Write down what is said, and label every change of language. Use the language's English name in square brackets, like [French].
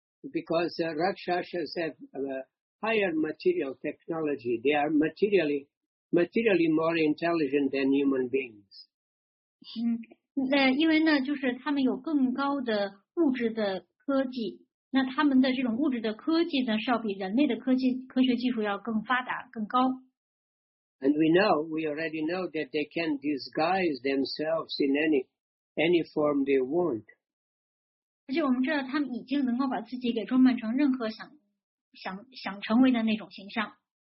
[English] Because Rakshasas have higher material technology, they are materially more intelligent than human beings. [Chinese] 因为呢，就是他们有更高的物质的科技，那他们的这种物质的科技呢，是要比人类的科学技术要更发达、更高。 [English] And we already know that they can disguise themselves in any form they want. [Chinese] 而且我们知道他们已经能够把自己给装扮成任何想成为的那种形象。